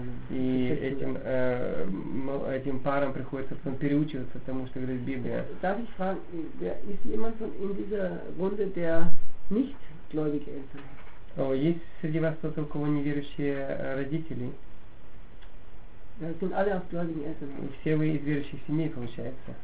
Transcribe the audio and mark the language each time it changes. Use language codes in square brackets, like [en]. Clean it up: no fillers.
[ru] И этим парам приходится потом переучиваться тому, что говорит Библия. [de] Darf ich fragen, ist jemand von in dieser Runde, der nicht gläubige Eltern? [ru] Есть среди вас кто-то, у кого неверующие родители? Все вы из верующих семей, получается.